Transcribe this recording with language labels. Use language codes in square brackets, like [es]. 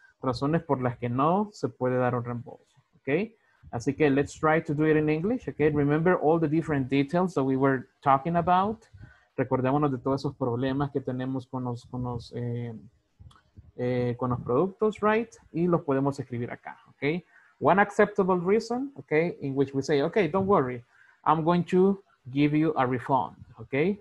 [es] Razones por las que no se puede dar un reembolso, okay? Así que [en] let's try to do it in English, okay? Remember all the different details that we were talking about. [es] Recordémonos de todos esos problemas que tenemos con los productos, right? Y los podemos escribir acá, okay? [en] One acceptable reason, okay, in which we say, okay, don't worry, I'm going to give you a refund, okay?